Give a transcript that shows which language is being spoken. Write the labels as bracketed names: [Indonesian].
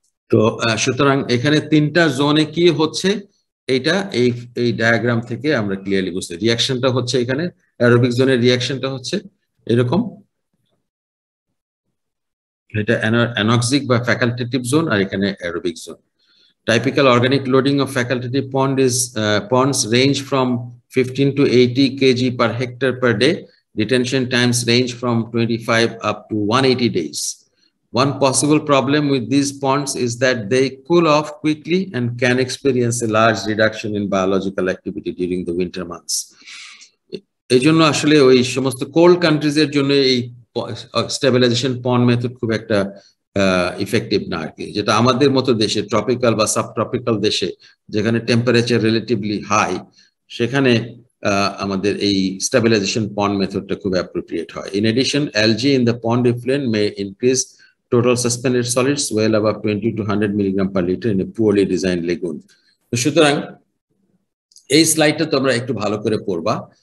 [Bangla] তো সুতরাং এখানে তিনটা জোনে কি হচ্ছে এটা এই এই ডায়াগ্রাম থেকে আমরা ক্লিয়ারলি বুঝতে রিঅ্যাকশনটা হচ্ছে এখানে অ্যারোবিক জোনের রিঅ্যাকশনটা হচ্ছে এরকম এটা অ্যানোক্সিক বা ফ্যাকাল্টেটিভ জোন আর এখানে aerobic zone [English] Typical organic loading of facultative pond is ponds range from 15 to 80 kg per hectare per day. Retention times range from 25 up to 180 days. One possible problem with these ponds is that they cool off quickly and can experience a large reduction in biological activity during the winter months. [Bangla] এই জন্য আসলে ওই সমস্ত cold countries এর জন্য এই stabilization pond method খুব একটা ইফেক্টিভ না আর কি যেটা আমাদের মতো দেশে ট্রপিক্যাল বা সাব ট্রপিক্যাল দেশে যেখানে টেম্পারেচার রিলেটিভলি হাই সেখানে আমাদের এই স্টেবিলাইজেশন পন্ড মেথডটা খুব অ্যাপ্রোপ্রিয়েট হয় [English] in addition algae in the pond effluent may increase total suspended solids well above 20 to 100 milligram per litre in a poorly design lagoon [Bangla] সুতরাং এই স্লাইডটা তোমরা একটু ভালো করে পড়বা